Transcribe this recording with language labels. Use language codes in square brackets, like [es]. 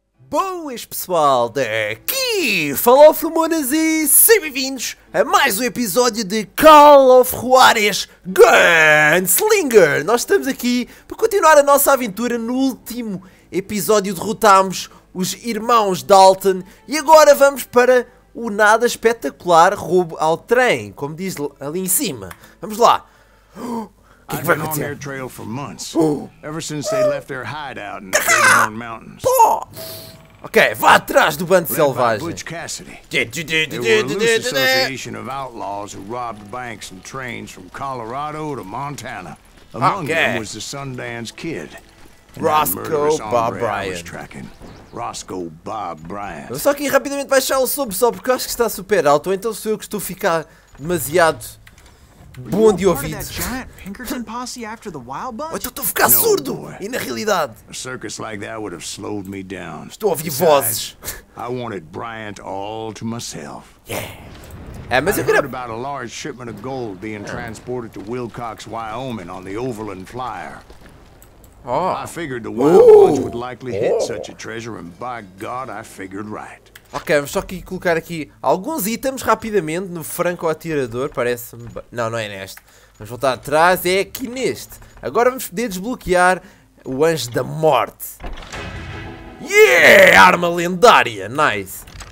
[pt] Saudações pessoal daqui, Fala of Humanas e sejam bem-vindos a mais um episódio de Call of Juarez Gunslinger. Nós estamos aqui para continuar a nossa aventura. No último episódio derrotámos os irmãos Dalton e agora vamos para o nada espetacular roubo ao trem, como diz ali em cima. Vamos lá. [en] I've been on their trail for months. Ever since they left their hideout in the Bighorn Mountains. [pt] Ok, vá atrás do bando selvagem. [en] Led by Butch Cassidy. Association of outlaws who robbed banks and trains from Colorado to Montana. Among them was the Sundance Kid. Roscoe Bob Bryant. Roscoe Bob Bryant. [pt] Só que rapidamente baixar o sub só porque acho que está super alto. Então sou eu que estou a ficar demasiado bom de ouvido. Estou a ficar surdo. E na realidade, [en] a circus like that would have slowed me down. [pt] Estou a ouvir vozes. [en] I wanted Bryant all to myself. [pt] Yeah. Mas eu queria [en] about a large shipment of gold being transported to Wilcox, Wyoming on the Overland Flyer. Oh. I figured the Wild Bunch would likely hit such a treasure and by God I figured right. [pt] Ok, vamos só aqui colocar aqui alguns itens rapidamente no franco-atirador, parece-me... Não, não é neste. Vamos voltar atrás, é aqui neste. Agora vamos poder desbloquear o Anjo da Morte. Yeah! Arma lendária! Nice!